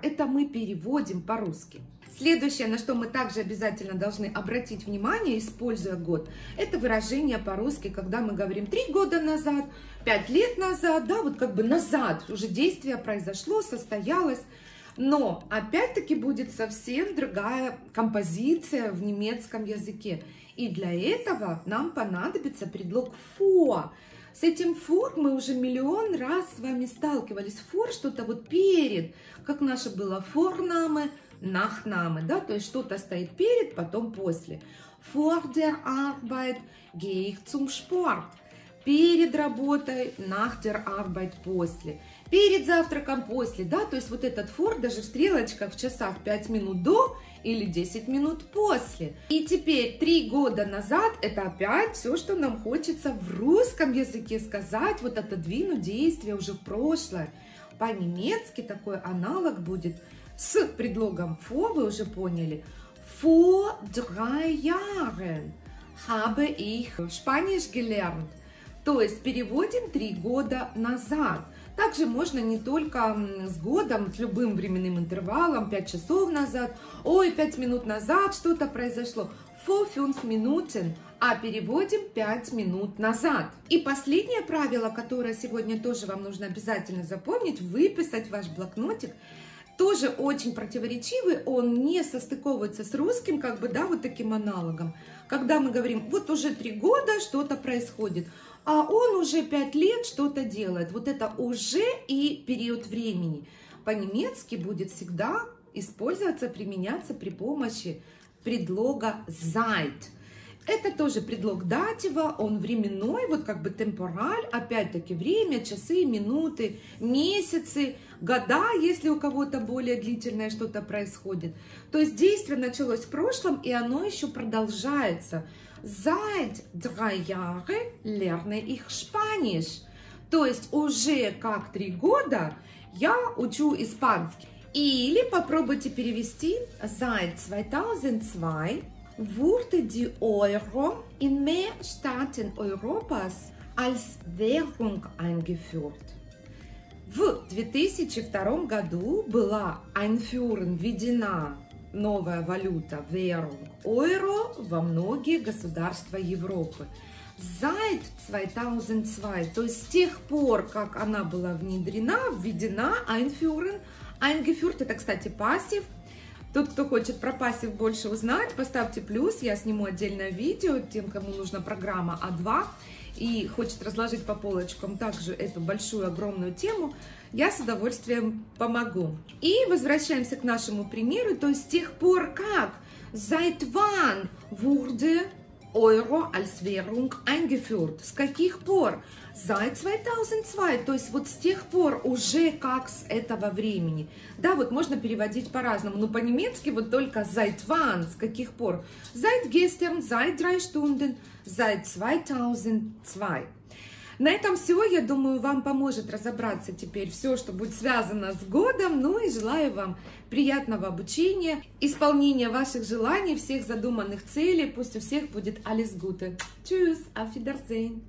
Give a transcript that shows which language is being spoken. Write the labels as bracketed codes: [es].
[ru] Это мы переводим по-русски. Следующее, на что мы также обязательно должны обратить внимание, используя год, это выражение по-русски, когда мы говорим 3 года назад, 5 лет назад, да, вот как бы назад, уже действие произошло, состоялось, но опять-таки будет совсем другая композиция в немецком языке. И для этого нам понадобится предлог for. С этим for мы уже миллион раз с вами сталкивались. For что-то вот перед, как наше было vorname, nachname, да, то есть что-то стоит перед, потом после. [de] Vor der Arbeit gehe ich zum Sport. [ru] Перед работой, [de] nach der Arbeit, [ru] после. Перед завтраком, после, да, то есть вот этот for даже в стрелочках, в часах 5 минут до или 10 минут после. И теперь 3 года назад, это опять все, что нам хочется в русском языке сказать, вот отодвинуть действие уже в прошлое. По-немецки такой аналог будет с предлогом for, вы уже поняли. [de] Vor drei Jahren habe ich Spanisch gelernt. [ru] То есть переводим 3 года назад. Также можно не только с годом, с любым временным интервалом, 5 часов назад, ой, 5 минут назад что-то произошло. [de] Vor 5 Minuten, [ru] а переводим 5 минут назад. И последнее правило, которое сегодня тоже вам нужно обязательно запомнить, выписать в ваш блокнотик, тоже очень противоречивый, он не состыковывается с русским, как бы, да, вот таким аналогом. Когда мы говорим, вот уже 3 года что-то происходит, а он уже 5 лет что-то делает. Вот это уже и период времени. По-немецки будет всегда использоваться, применяться при помощи предлога seit. Это тоже предлог датива, он временной, вот как бы темпораль, опять-таки время, часы, минуты, месяцы, года, если у кого-то более длительное что-то происходит. То есть действие началось в прошлом, и оно еще продолжается. [de] Seit drei Jahre lerne ich Spanisch. [ru] То есть уже как 3 года я учу испанский. Или попробуйте перевести seit 2002. [de] Wurde die Euro in mehr Staaten Europas als Währung eingeführt. [ru] В 2002 году была einführen, введена новая валюта, Währung, Euro, во многие государства Европы. Seit 2002, то есть с тех пор, как она была внедрена, введена, einführen, eingeführt, это, кстати, пассив. Тот, кто хочет про пассив больше узнать, поставьте плюс, я сниму отдельное видео тем, кому нужна программа А2 и хочет разложить по полочкам также эту большую, огромную тему, я с удовольствием помогу. И возвращаемся к нашему примеру, то есть с тех пор как [de] seit wann wurde Euro als Währung eingeführt? [ru] С каких пор? [de] Seit 2002, [ru] то есть вот с тех пор, уже как с этого времени. Да, вот можно переводить по-разному, но по-немецки вот только [de] seit wann, [ru] с каких пор. [de] Seit gestern, seit drei Stunden, seit 2002. [ru] На этом все, я думаю, вам поможет разобраться теперь все, что будет связано с годом. Ну и желаю вам приятного обучения, исполнения ваших желаний, всех задуманных целей. Пусть у всех будет [de] alles Gute. Tschüss, auf Wiedersehen.